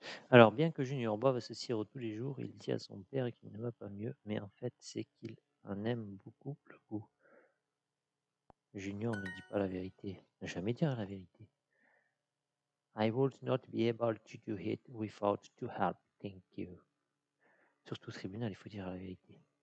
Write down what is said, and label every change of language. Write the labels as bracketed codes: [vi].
[fr] Alors, bien que Junior boive ce sirop tous les jours, il dit à son père qu'il ne va pas mieux, mais en fait, c'est qu'il en aime beaucoup le goût. Junior ne dit pas la vérité, ne jamais dire la vérité. [en] I would not be able to do it without to help, thank you. [fr] Surtout au tribunal, il faut dire la vérité.